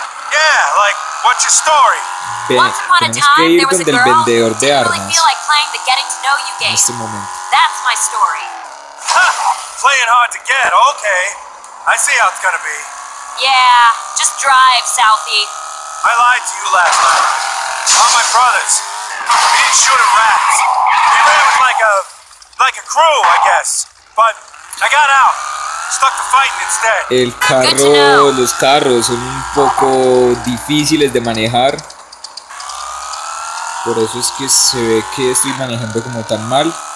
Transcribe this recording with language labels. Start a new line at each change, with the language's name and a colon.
English: Yeah, like, what's your story?
Spanish: Tenemos que ir donde el vendedor de armas. En este momento.
English: That's my story. Playing hard to get. Okay. I see how it's gonna be. Yeah, just drive, Southie. I lied to you last night. All my brothers. We didn't shoot at rats. We lived like a crew, I guess. But I got out. Stuck to fighting instead.
Spanish: El carro, los carros son un poco difíciles de manejar. Por eso es que se ve que estoy manejando como tan mal.